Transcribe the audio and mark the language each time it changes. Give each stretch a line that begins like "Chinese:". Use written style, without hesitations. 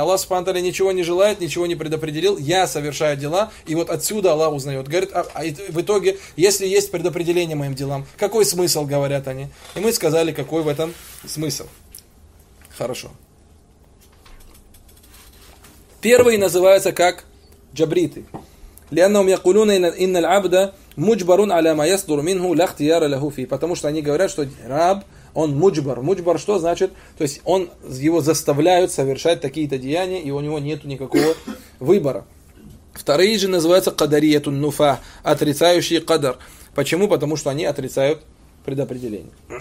Russian: Аллах Субхану Тааля ничего не желает, ничего не предопределил. Я совершаю дела. И вот отсюда Аллах узнает. Говорит, а в итоге, если есть предопределение моим делам, какой смысл, говорят они. И мы сказали, какой в этом смысл. Хорошо. Первые называются как джабриты.
Arabic: لأنهم يقولون إن العبد مجبر على ما يصدر منه لا اختيار له فيه.
Russian: Потому что они говорят, что раб, он муджбар. Муджбар что значит? То есть он, его заставляют совершать такие-то деяния, и у него нет никакого выбора. Вторые же называются кадариятун нуфа, отрицающие кадр. Почему? Потому что они отрицают предопределение.